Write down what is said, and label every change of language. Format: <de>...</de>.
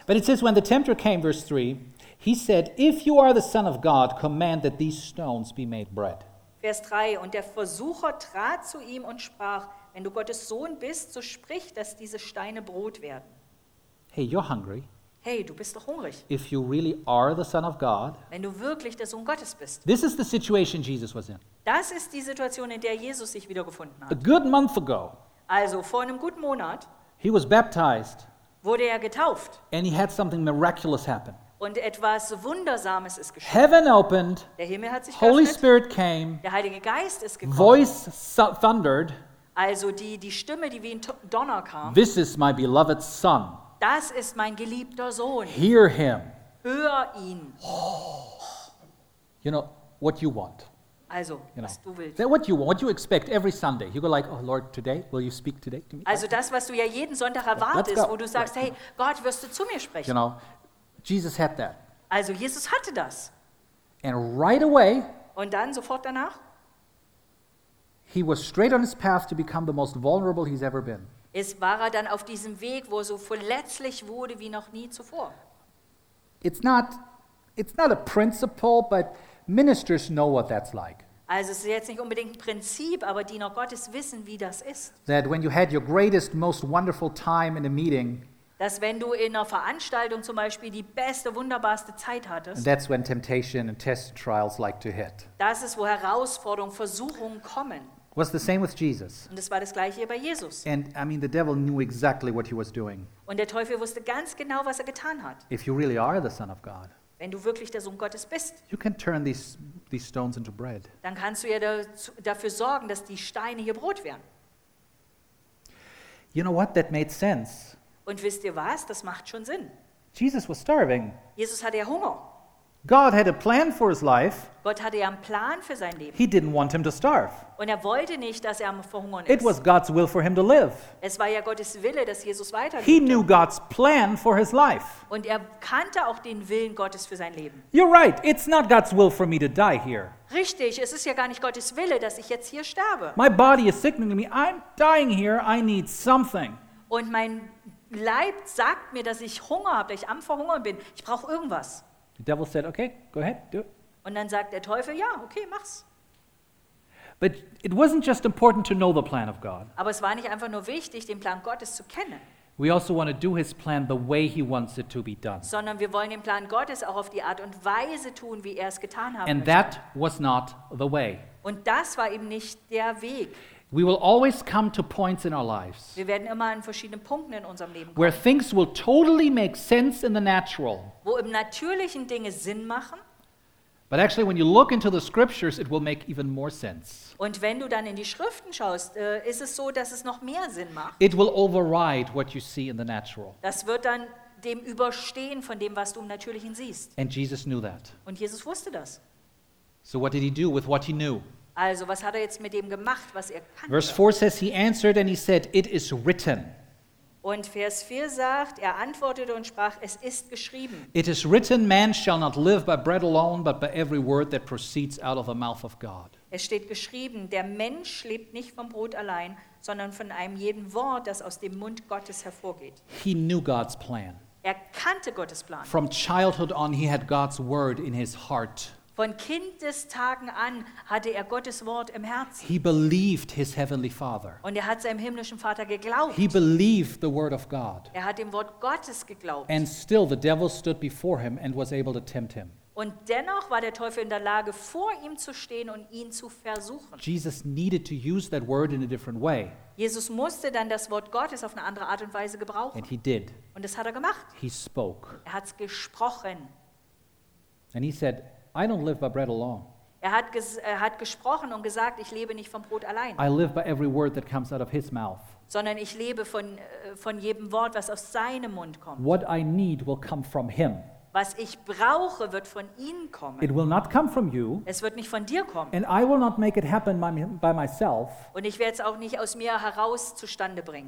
<en>But it says, when the tempter came, verse 3, he said, if you are the Son of God, command that these stones be made bread.</en> <de>Vers 3, und der Versucher trat zu ihm und sprach, wenn du Gottes Sohn bist, so sprich, dass diese Steine Brot werden.</de> <en>Hey, you're hungry.</en> <de>Hey, du bist doch hungrig.</de> <en>If you really are the Son of God,</en> <de>wenn du wirklich der Sohn Gottes bist,</de> <en>this is the situation Jesus was in.</en> <de>Das ist die Situation, in der Jesus sich wiedergefunden hat.</de> <en>A good month ago,</en> <de>also vor einem guten Monat,</de> <en>he was baptized,</en> <de>wurde getauft,</de> <en>and he had something miraculous happen.</en> <de>Und etwas Wundersames ist geschehen.</de> <en>Heaven opened,</en> <de>der Himmel hat sich geöffnet,</de> <en>Holy Spirit came,</en> <de>der Heilige Geist ist gekommen,</de> <en>voice thundered,</en> <de>also die Stimme, die wie ein Donner kam,</de> <en>this is my beloved Son.</en> <de>Das ist mein geliebter Sohn.</de> <en>Hear him.</en> <de>Hör ihn.</de> <en>You know what you want.</en> <de>Also,</de> <en>you know,</en> <de>was du willst.</de> <en>That what you want, what you expect every Sunday. You go like, oh Lord, today, will you speak today to me?</en> <de>Also das, was du ja jeden Sonntag erwartest, wo du sagst, right, hey, Gott, wirst du zu mir sprechen?</de> <en>You know, Jesus had that.</en> <de>Also Jesus hatte das.</de> <en>And right away.</en> <de>Und dann sofort danach.</de> <en>He was straight on his path to become the most vulnerable he's ever been.</en> <de>Es war dann auf diesem Weg, wo so verletzlich wurde wie noch nie zuvor.</de> <en>It's not a principle, but ministers know what that's like.</en> <de>Also es ist jetzt nicht unbedingt ein Prinzip, aber Diener Gottes wissen, wie das ist.</de> <en>That when you had your greatest, most wonderful time in a meeting.</en> <de>Dass wenn du in einer Veranstaltung zum Beispiel die beste, wunderbarste Zeit hattest.</de> <en>That's when temptation and test trials like to hit.</en> <de>Das ist, wo Herausforderungen, Versuchungen kommen.</de> <en>Was the same with Jesus.</en> <de>Und es war das gleiche bei Jesus.</de> <en>And I mean, the devil knew exactly what he was doing.</en> <de>Und der Teufel wusste ganz genau, was getan hat.</de> <en>If you really are the Son of God,</en> <de>wenn du wirklich der Sohn Gottes bist,</de> <en>you can turn these stones into bread.</en> <de>Dann kannst du ja dafür sorgen, dass die Steine hier Brot werden.</de> <en>You know what? That made sense.</en> <de>Und wisst ihr was? Das macht schon Sinn.</de> <en>Jesus was starving.</en> <de>Jesus hatte Hunger.</de> <en>God had a plan for his life.</en> <de>Gott hatte einen Plan für sein Leben.</de> <en>He didn't want him to starve.</en> <de>Und wollte nicht, dass verhungern ist.</de> <en>It was God's will for him to live.</en> <de>Es war ja Gottes Wille, dass Jesus weiterlebte.</de> <en>He knew God's plan for his life.</en> <de>Und kannte auch den Willen Gottes für sein Leben.</de> <en>You're right. It's not God's will for me to die here.</en> <de>Richtig, es ist ja gar nicht Gottes Wille, dass ich jetzt hier sterbe.</de> <en>My body is signaling to me, I'm dying here, I need something.</en> <de>Und mein Leib sagt mir, dass ich Hunger habe, dass ich am Verhungern bin. Ich brauche irgendwas.</de> <en>The devil said, okay, go ahead, do it.</en> <de>Und dann sagt der Teufel, ja, okay, mach's.</de> <en>But it wasn't just important to know the plan of God.</en> <de>Aber es war nicht einfach nur wichtig, den Plan Gottes zu kennen.</de> <en>We also want to do his plan the way he wants it to be done.</en> <de>Sondern wir wollen den Plan Gottes auch auf die Art und Weise tun, wie getan haben.</de> <en>And that was not the way.</en> <de>Und das war eben nicht der Weg.</de> <en>We will always come to points in our lives.</en> <de>Wir werden immer an verschiedenen Punkten in unserem Leben kommen.</de> <en>Where things will totally make sense in the natural.</en> <de>Wo im natürlichen Dinge Sinn machen.</de> <en>But actually when you look into the scriptures it will make even more sense.</en> <de>Und wenn du dann in die Schriften schaust, ist es so, dass es noch mehr Sinn macht.</de> <en>It will override what you see in the natural.</en> <de>Das wird dann dem überstehen von dem, was du im natürlichen siehst.</de> <en>And Jesus knew that.</en> <de>Und Jesus wusste das.</de> <en>So what did he do with what he knew?</en> <de>Also, was hat jetzt mit dem gemacht, was kannte?</de> <en>Verse 4 says, he answered and he said, it is written.</en> <de>Und Vers 4 sagt, antwortete und sprach, es ist geschrieben.</de> <en>It is written, man shall not live by bread alone, but by every word that proceeds out of the mouth of God.</en> <de>Es steht geschrieben, der Mensch lebt nicht vom Brot allein, sondern von einem jeden Wort, das aus dem Mund Gottes hervorgeht.</de> <en>He knew God's plan.</en> <de>Kannte Gottes Plan.</de> <en>From childhood on, he had God's word in his heart.</en> <de>Von Kindestagen an hatte er Gottes Wort im Herzen.</de> <en>He believed his heavenly Father.</en> <de>Und er hat seinem himmlischen Vater geglaubt.</de> <en>He believed the word of God.</en> <de>Er hat dem Wort Gottes geglaubt.</de> <en>And still the devil stood before him and was able to tempt him.</en> <de>Und dennoch war der Teufel in der Lage, vor ihm zu stehen und ihn zu versuchen.</de> <en>Jesus needed to use that word in a different way.</en> <de>Jesus musste dann das Wort Gottes auf eine andere Art und Weise gebrauchen.</de> <en>And he did.</en> <de>Und das hat er gemacht.</de> <en>He spoke.</en> <de>Er hat's gesprochen.</de> <en>And he said, I don't live by bread alone.</en> <de>Er hat gesprochen und gesagt, ich lebe nicht vom Brot allein.</de> <en>I live by every word that comes out of his mouth.</en> <de>Sondern ich lebe von jedem Wort, was aus seinem Mund kommt.</de> <en>What I need will come from him.</en> <de>Was ich brauche, wird von ihm kommen.</de> <en>It will not come from you.</en> <de>Es wird nicht von dir kommen.</de> <en>And I will not make it happen by myself.</en> <de>Und ich werde es auch nicht aus mir heraus zustande bringen.</de>